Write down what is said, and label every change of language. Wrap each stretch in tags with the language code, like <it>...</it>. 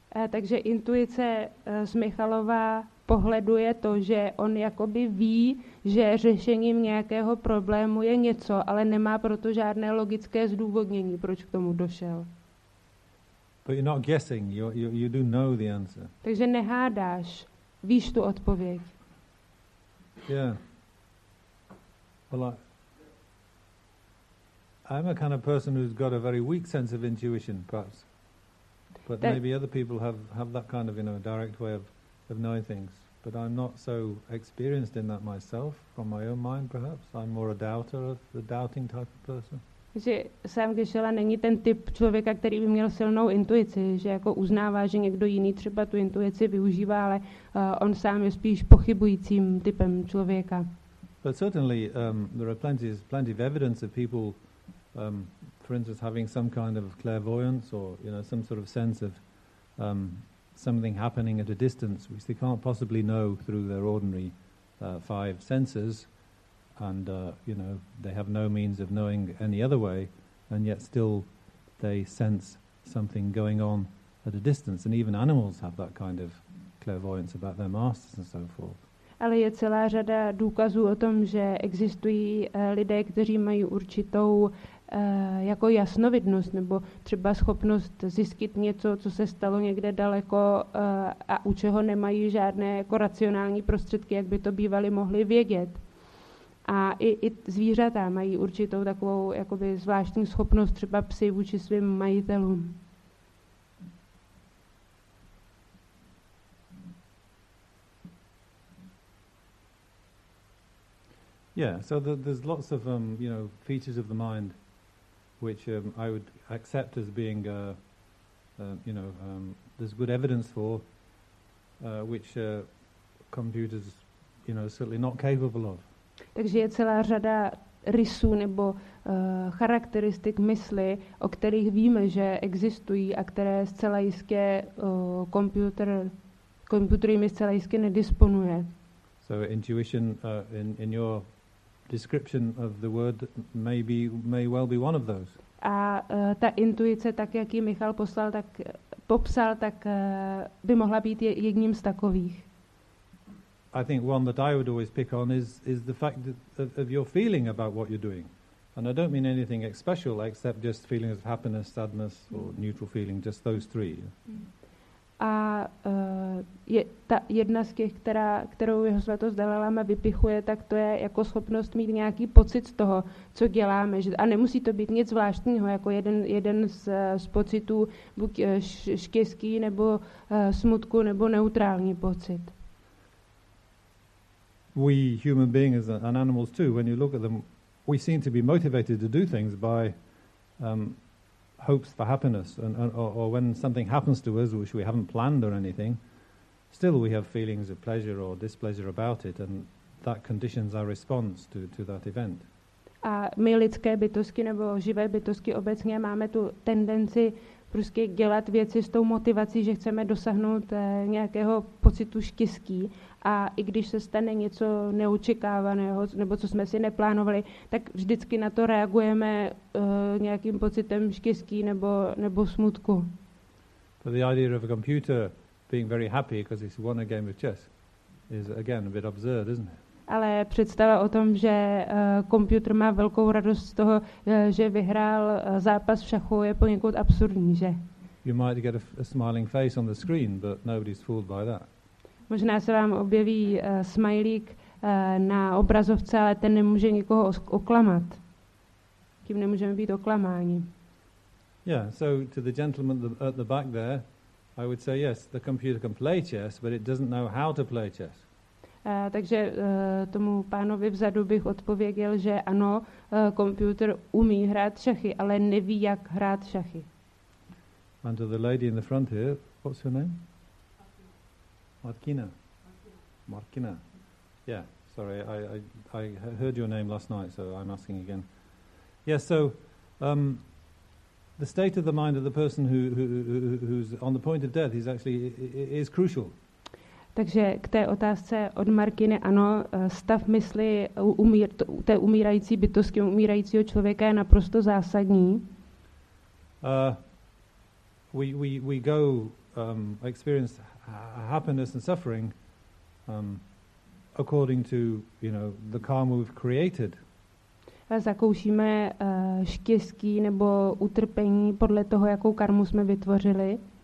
<cs>Takže intuice z Michalova pohledu je to, že on jakoby ví, že řešením nějakého problému je něco, ale nemá proto žádné logické zdůvodnění, proč k tomu došel.</cs> <en>But you're not guessing, you do know the answer.</en> <cs>Takže nehádáš, víš tu odpověď.</cs> <en>Yeah. Well, I'm a kind of person who's got a very weak sense of intuition, perhaps. But maybe other people have that kind of, you know, direct way of knowing things. But I'm not so experienced in that myself, from my own mind perhaps. I'm more a doubter of the doubting type of person.</en> <cs>Že sám Geshe-la není ten typ člověka, který by měl silnou intuici, že jako uznává, že někdo jiný třeba tu intuici využívá, ale on sám je spíš pochybujícím typem člověka.</cs> <en>But certainly there are plenty of evidence of people for instance, having some kind of clairvoyance or, you know, some sort of sense of something happening at a distance, which they can't possibly know through their ordinary five senses, and, you know, they have no means of knowing any other way, and yet still they sense something going on at a distance. And even animals have that kind of clairvoyance about their masters and so forth.</en> <cs>Ale je celá řada důkazů o tom, že existují lidé, kteří mají určitou jako jasnovidnost nebo třeba schopnost zjistit něco, co se stalo někde daleko a u čeho nemají žádné jako racionální prostředky, jak by to bývali mohli vědět. A i zvířata mají určitou takovou jakoby zvláštní schopnost, třeba psi vůči svým majitelům.</cs> <en>Yeah, so there's lots of you know, features of the mind which I would accept as being you know, there's good evidence for which computers, you know, certainly not capable of.</en> <cs>Takže je celá řada rysů nebo charakteristik mysli, o kterých víme, že existují a které zcela jistě počítač Komputery mi zcela jistě nedisponuje.</cs> <en>So intuition in your description of the word may well be one of those.</en> <cs>A ta intuice, tak jak ji Michal poslal, tak popsal, tak by mohla být jedním z takových.</cs> <en>I think one that I would always pick on is the fact that of your feeling about what you're doing. And I don't mean anything special except just feelings of happiness, sadness or neutral feeling, just those three.</en> <cs>A je ta jedna z těch, kterou jeho svatost Dalajláma vypichuje, tak to je jako schopnost mít nějaký pocit z toho, co děláme. Že, a nemusí to být nic zvláštního, jako jeden z pocitů, buď štěstí nebo smutku, nebo neutrální pocit.</cs> <en>We human beings and animals too, when you look at them, we seem to be motivated to do things by hopes for happiness, or when something happens to us which we haven't planned or anything, still we have feelings of pleasure or displeasure about it, and that conditions our response to that event.</en> <cs>A my lidské bytosti nebo živé bytosti obecně máme tu tendenci prostě dělat věci s tou motivací, že chceme dosáhnout nějakého pocitu štěstí. A i když se stane něco neočekávaného, nebo co jsme si neplánovali, tak vždycky na to reagujeme nějakým pocitem štěstí nebo smutku.</cs> <en>So the idea of a computer being very happy because it's won a game of chess is again a bit absurd, isn't it?</en> <cs>Ale představa o tom, že počítač má velkou radost z toho, že vyhrál zápas v šachu, je poněkud absurdní, že?</cs> <en>You might get a smiling face on the screen, but nobody's fooled by that.</en> <cs>Možná se vám objeví smajlík na obrazovce, ale ten nemůže nikoho oklamat. Tím nemůžeme být oklamáni.</cs> <en>Yeah, so to the gentleman at the back there, I would say yes, the computer can play chess, but it doesn't know how to play chess.</en> <cs>Takže tomu pánovi vzadu bych odpověděl, že ano, počítač umí hrát šachy, ale neví, jak hrát šachy.</cs> <en>And to the lady in the front here, what's her name? Martina. Yeah, sorry, I heard your name last night, so I'm asking again. Yes, yeah, so the state of the mind of the person who's on the point of death is actually is crucial.</en> <cs>Takže k té otázce od Markiny, ano, stav mysli té umírající bytosti, umírajícího člověka je naprosto zásadní.</cs> <en>We go experience happiness and suffering according to, you know, the karma we've created.</en> <cs>Zakoušíme štěstí nebo utrpení podle toho, jakou karmu jsme vytvořili.</cs>